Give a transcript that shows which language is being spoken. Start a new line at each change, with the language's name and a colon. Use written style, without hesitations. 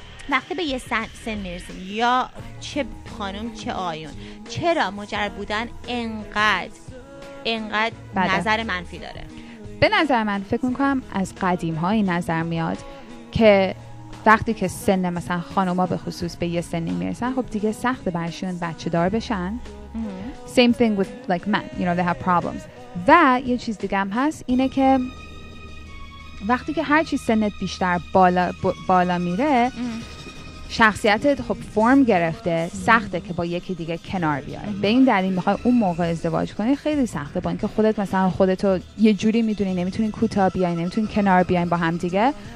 Persian: وقتی به یه سن میرسیم، یا چه خانم چه آیون، چرا مجرد بودن انقدر بده. نظر منفی داره؟ به نظر من فکر میکنم از قدیم های نظر میاد که وقتی که سن مثلا خانوما به خصوص به یه سنی میرسن، خب دیگه سخت برشون بچه دار بشن.
English: Same thing with like men, you know, they have problems.
Persian: و یه چیز دیگه هم هست، اینه که وقتی که هرچی سنت بیشتر بالا میره، شخصیتت خب فرم گرفته، سخته که با یکی دیگه کنار بیای. به این دلیل میخوای اون موقع ازدواج کنی خیلی سخته، با اینکه خودت مثلا خودتو یه جوری میدونی، نمیتونی کوتا بیای، نمیتونی کنار بیای با هم دیگه.